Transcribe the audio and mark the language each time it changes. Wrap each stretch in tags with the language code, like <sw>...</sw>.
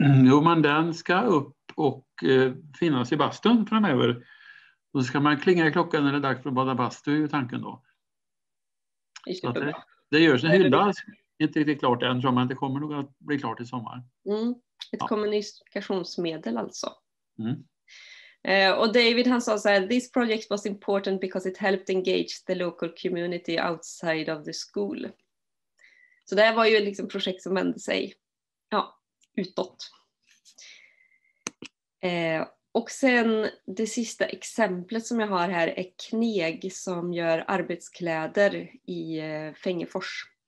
<sv>Jo, men den ska upp och finnas i bastun framöver. Då ska man klinga i klockan när det är dags för att bada bastu, är ju tanken då. Det görs en hylla. Inte riktigt klart än, men det kommer nog att bli klart i sommar. Ett kommunikationsmedel alltså. Mm. Och David han sa så här,</sv> <en>this project was important because it helped engage the local community outside of the school.</en> <sv>Så det här var ju liksom projekt som vände sig ja, utåt. Och sen det sista exemplet som jag har här är Kneg som gör arbetskläder i Fengefors.</sv>